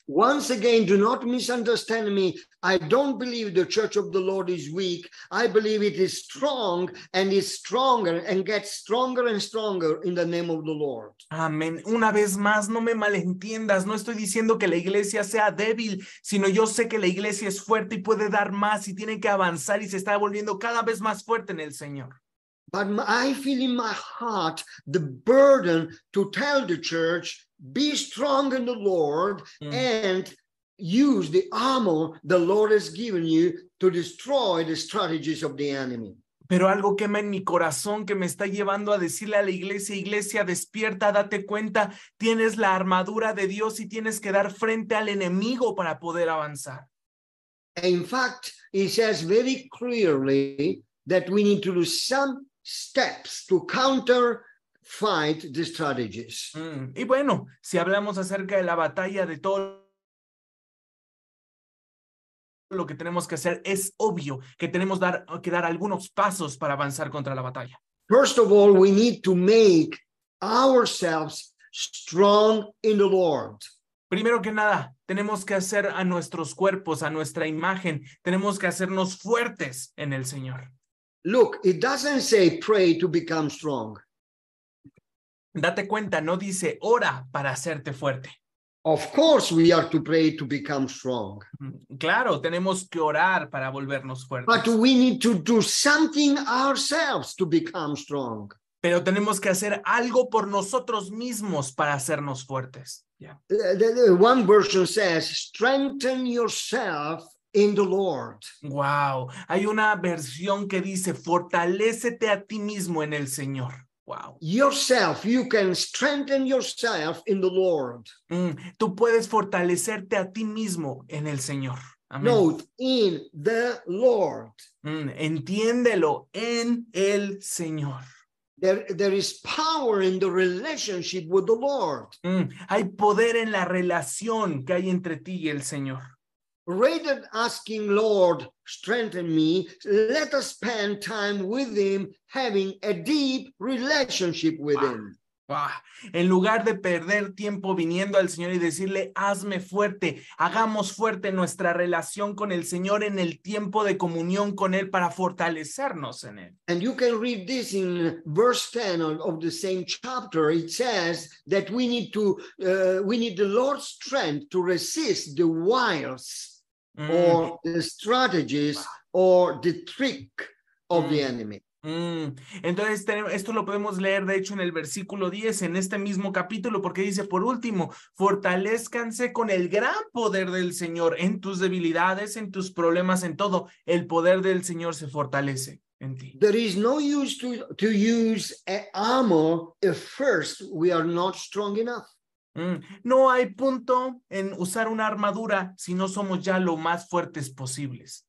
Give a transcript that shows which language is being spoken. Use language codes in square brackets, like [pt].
[en] Once again, do not misunderstand me. I don't believe the church of the Lord is weak. I believe it is strong and is stronger and gets stronger and stronger in the name of the Lord. [es] Amén. Una vez más, no me malentiendas. No estoy diciendo que la iglesia sea débil, sino yo sé que la iglesia es fuerte y puede dar más y tiene que avanzar y se está volviendo cada vez más fuerte en el Señor. [en] But I feel in my heart the burden to tell the church, be strong in the Lord and use the armor the Lord has given you to destroy the strategies of the enemy. [es] Pero algo quema en mi corazón que me está llevando a decirle a la iglesia, iglesia, despierta, date cuenta, tienes la armadura de Dios y tienes que dar frente al enemigo para poder avanzar. [en] In fact, he says very clearly that we need to do some steps to counter fight the strategies. [es] Y bueno, si hablamos acerca de la batalla de todo lo que tenemos que hacer, es obvio que tenemos que dar algunos pasos para avanzar contra la batalla. [en] First of all, we need to make ourselves strong in the Lord. [es] Primero que nada, tenemos que hacer a nuestros cuerpos, a nuestra imagen, tenemos que hacernos fuertes en el Señor. [en] Look, it doesn't say pray to become strong. [es] Date cuenta, no dice ora para hacerte fuerte. [en] Of course we are to pray to become strong. [es] Claro, tenemos que orar para volvernos fuertes. [en] But we need to do something ourselves to become strong. [es] Pero tenemos que hacer algo por nosotros mismos para hacernos fuertes. [en] Yeah. One version says, strengthen yourself in the Lord. [es] Wow. Hay una versión que dice, fortalécete a ti mismo en el Señor. [en] Wow. Yourself, you can strengthen yourself in the Lord. [es] Tú puedes fortalecerte a ti mismo en el Señor. [en] Amén. Note, in the Lord. [es] Entiéndelo, en el Señor. [en] There is power in the relationship with the Lord. [es] Hay poder en la relación que hay entre ti y el Señor. [en] Rather than asking, Lord, strengthen me, let us spend time with him, having a deep relationship with him. [es] En lugar de perder tiempo viniendo al Señor y decirle, hazme fuerte, hagamos fuerte nuestra relación con el Señor en el tiempo de comunión con Él para fortalecernos en Él. [en] And you can read this in verse 10 of the same chapter. It says that we need the Lord's strength to resist the wiles or the strategies or the trick of the enemy. [es] Entonces, esto lo podemos leer, de hecho, en el versículo 10, en este mismo capítulo, porque dice, por último, fortalézcanse con el gran poder del Señor en tus debilidades, en tus problemas, en todo. El poder del Señor se fortalece en ti. [en] There is no use to use armor if first we are not strong enough. [es] No hay punto en usar una armadura si no somos ya lo más fuertes posibles.